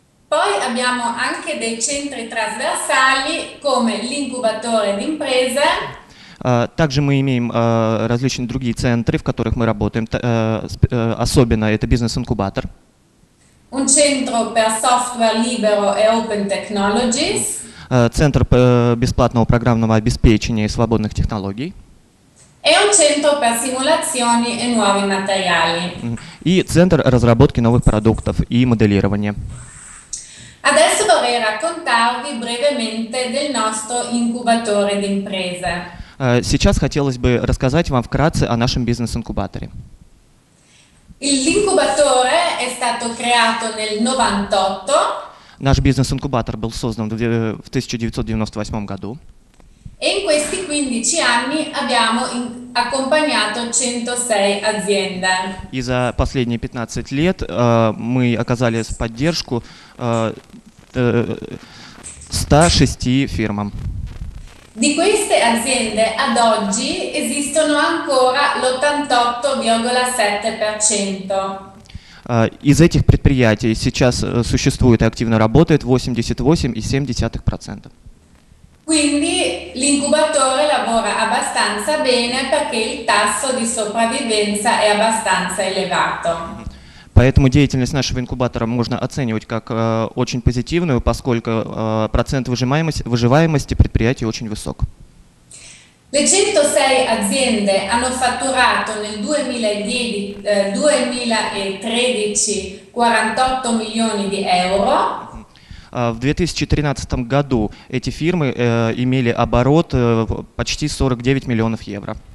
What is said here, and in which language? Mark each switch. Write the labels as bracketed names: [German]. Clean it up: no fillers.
[Italian] Poi abbiamo anche dei centri trasversali, come l'incubatore d'impresa. [Russian] Также мы имеем различные другие центры, в которых мы работаем, особенно это бизнес-инкубатор. [Italian] Un centro per software libero e open technologies. [Russian] Центр бесплатного программного обеспечения и свободных технологий. [Italian] E un centro per simulazioni e nuovi materiali. [Russian] И центр разработки новых продуктов и моделирования. [Italian] Adesso vorrei vorrei raccontarvi brevemente del nostro incubatore d'impresa. [Russian] Сейчас хотелось бы рассказать вам вкратце о нашем бизнес-инкубаторе. [Italian] L'incubatore è stato creato nel 98. [Russian] Наш бизнес-инкубатор был создан в 1998 году. [Italian] E in questi 15 anni abbiamo accompagnato 106 aziende. [Russian] И за последние 15 лет мы оказали поддержку 106 фирмам. [Italian] Di queste aziende ad oggi esistono ancora l'88,7%. [Russian] Из этих предприятий сейчас существует и активно работает 88,7%. [Italian] Quindi l'incubatore lavora abbastanza bene perché il tasso di sopravvivenza è abbastanza elevato. [Russian] Поэтому деятельность нашего инкубатора можно оценивать как очень позитивную, поскольку процент выживаемости предприятий очень высок. [Italian] Le 106 aziende hanno fatturato nel 2013 48 milioni di euro. [Russian] В 2013 году эти фирмы имели оборот почти 49 миллионов евро.